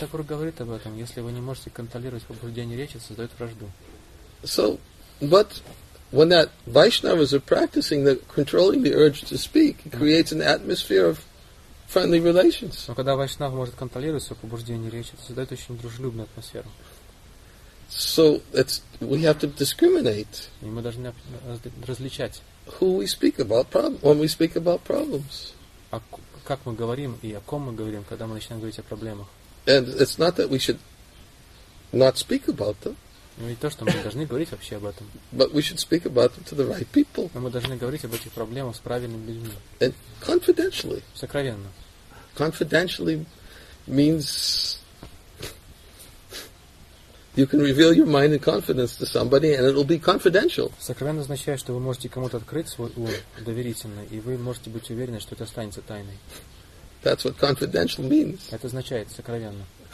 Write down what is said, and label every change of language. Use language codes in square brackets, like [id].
[ru] Такур говорит об этом, если вы не можете контролировать побуждение речи, создает вражду. [en] So, but when that Vaishnavas are practicing the controlling the urge to speak, it creates an atmosphere of friendly relations. [ru] Но когда вайшнав может контролировать свое побуждение речи, это создает очень дружелюбную атмосферу. [en] So it's we have to discriminate. [ru] И мы должны различать. [en] Who we speak about when we speak about problems. [ru] А как мы говорим и о ком мы говорим, когда мы начинаем говорить о проблемах? [en] And it's not that we should not speak about them. [ru] Но не то, что мы должны говорить вообще об этом. [en] But we should speak about them to the right people. [ru] Но мы должны говорить об этих проблемах с правильными людьми. [en] And confidentially. [ru] Сокровенно. [en] Confidentially means you can reveal your mind and confidence to somebody, and it'll be confidential. [ru] Сокровенно означает, что вы можете кому-то открыть свой ум доверительно, и вы можете быть уверены, что это останется тайной. [en] That's what confidential means. [ru] Это означает сокровенно.